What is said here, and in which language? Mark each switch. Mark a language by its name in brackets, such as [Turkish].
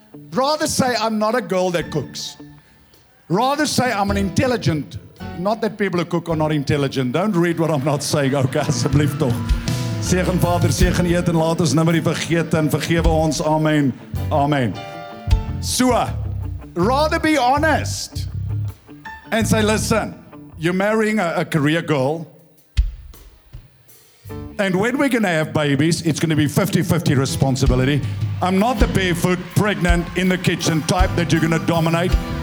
[English] Rather say I'm not a girl that cooks. Rather say I'm an intelligent, not that people who cook are not intelligent. Don't read what I'm not saying, okay, [Afrikaans] asseblief toch. Seën Vader, seën eet en laat ons nimmer die vergeet en vergewe ons. Amen. Amen. [English] So, rather be honest and say, listen, you're marrying a career girl and when we're going to have babies, it's going to be 50-50 responsibility. I'm not the barefoot, pregnant, in the kitchen type that you're going to dominate.